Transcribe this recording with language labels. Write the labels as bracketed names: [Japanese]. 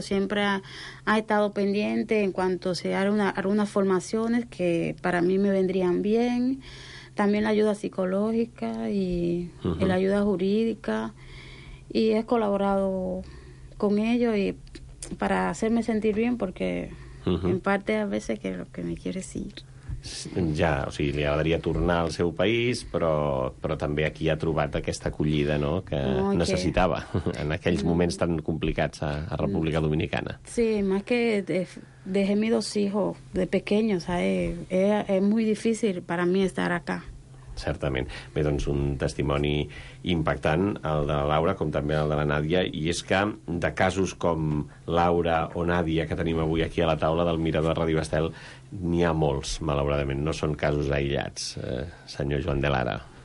[Spanish] Siempre ha estado pendiente en cuanto se hagan algunas formaciones que para mí me vendrían bien. También la ayuda psicológica y la ayuda jurídica. Y he colaborado con ellos y para hacerme sentir bien porque... En parte, a veces, que lo que me quiere decir. [Catalan] Ja, o sigui, li agradaria tornar al seu país, però també aquí ha trobat aquesta acollida, no?, que okay. necessitava en aquells moments tan complicats a República Dominicana. [Spanish] Sí, más que dejé mis dos hijos de pequeños, ¿sabes? Es muy difícil para mí estar acá. [Catalan] Certament. Bé, doncs, un testimoni impactant, el de la Laura, com també el de la Nàdia, i és que de casos com Laura o Nàdia que tenim avui aquí a la taula del Mirador Ràdio Estel, n'hi ha molts, malauradament. No són casos aïllats, senyor Joan de Lara.